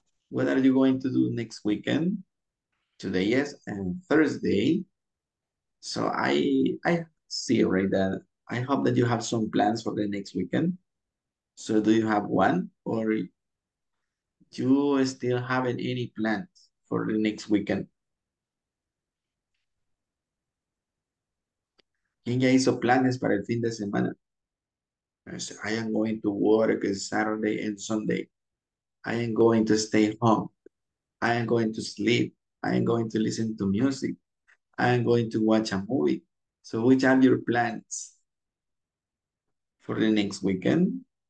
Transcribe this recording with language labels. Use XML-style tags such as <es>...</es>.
<en>What are you going to do next weekend? Today is Thursday. So I see right that I hope that you have some plans for the next weekend. So do you have one or you still haven't any plans for the next weekend?</en> <es>¿Quién ya hizo planes para el fin de semana?</es> <en>So I am going to work Saturday and Sunday. I am going to stay home. I am going to sleep. I am going to listen to music. I am going to watch a movie. So, which are your plans for the next weekend?</en>